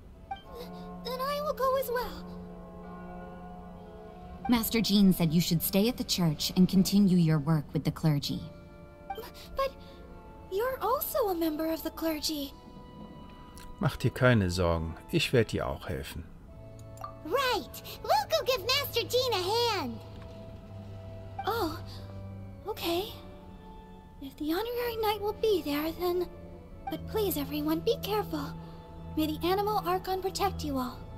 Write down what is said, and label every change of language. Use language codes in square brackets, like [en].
[en] Then I will go as well. Master Jean said you should stay at the church and continue your work with the clergy. But you're also a member of the clergy. [de] Mach dir keine Sorgen, ich werde dir auch helfen. [en] Right, we'll go give Master Jean a hand. Oh. Okay. If the Honorary Knight will be there, then... But please, everyone, be careful. May the Animal Archon protect you all.